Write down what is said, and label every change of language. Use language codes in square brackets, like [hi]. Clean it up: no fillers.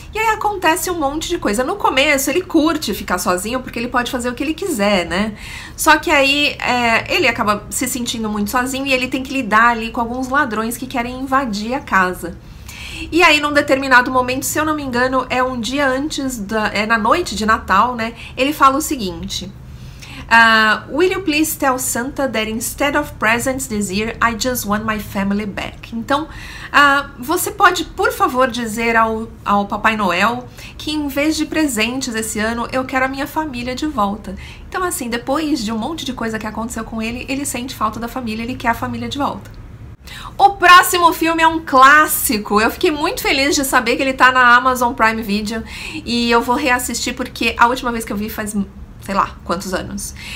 [pt] E aí acontece um monte de coisa. No começo ele curte ficar sozinho porque ele pode fazer o que ele quiser, né? Só que aí ele acaba se sentindo muito sozinho e ele tem que lidar ali com alguns ladrões que querem invadir a casa. E aí num determinado momento, se eu não me engano, é um dia antes da, é na noite de Natal, né? Ele fala o seguinte: [en] Will you please tell Santa that instead of presents this year, I just want my family back. [pt] Então, você pode, por favor, dizer ao Papai Noel que em vez de presentes esse ano, eu quero a minha família de volta. Então, assim, depois de um monte de coisa que aconteceu com ele, ele sente falta da família, ele quer a família de volta. O próximo filme é um clássico. Eu fiquei muito feliz de saber que ele tá na Amazon Prime Video e eu vou reassistir porque a última vez que eu vi faz, sei lá, quantos anos.